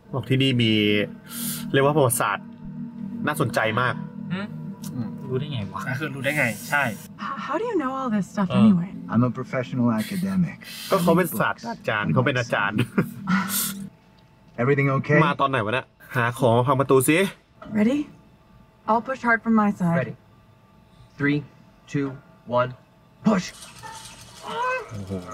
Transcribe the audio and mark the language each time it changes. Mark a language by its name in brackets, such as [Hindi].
[Thai] บอกที่นี่มีเรียกว่าประวัติศาสตร์น่าสนใจมาก รู้ได้ไงวะ คือรู้ได้ไงใช่ [English] How do you know all this stuff anyway I'm a professional academic. [Thai] ก็เขาเป็นศาสตราจารย์เขาเป็นอาจารย์ [English] Everything okay? [Thai] มาตอนไหนวะเนี่ยหาของพังประตูสิ [English] Ready? I'll push hard from my side. Ready. 3, 2, 1, push. [Thai] โอ้โห